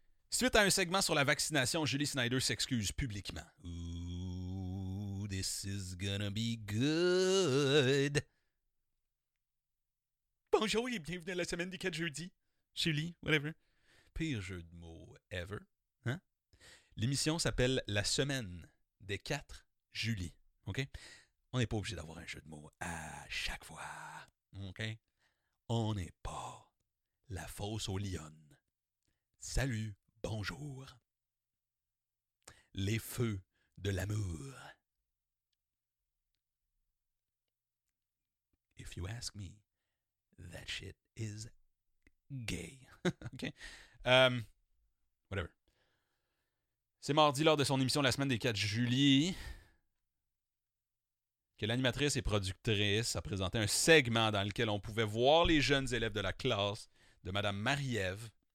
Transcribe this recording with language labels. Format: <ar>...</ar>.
<fr>Suite à un segment sur la vaccination, Julie Snyder s'excuse publiquement.</fr> <en>Ooh, this is gonna be good.</en> <fr>Bonjour et bienvenue à la semaine des 4 jeudis.</fr> <en>Julie, whatever.</en> <fr>Pire jeu de mots ever. Hein? L'émission s'appelle La semaine des 4 Julie. OK? On n'est pas obligé d'avoir un jeu de mots à chaque fois. OK? On n'est pas la fosse aux lionnes. Salut, bonjour. Les feux de l'amour.</fr> <en>If you ask me, that shit is gay. OK? Whatever.</en> <fr>C'est mardi lors de son émission La semaine des 4 juillet. Que l'animatrice et productrice a présenté un segment dans lequel on pouvait voir les jeunes élèves de la classe de Mme Marie-Ève.</fr>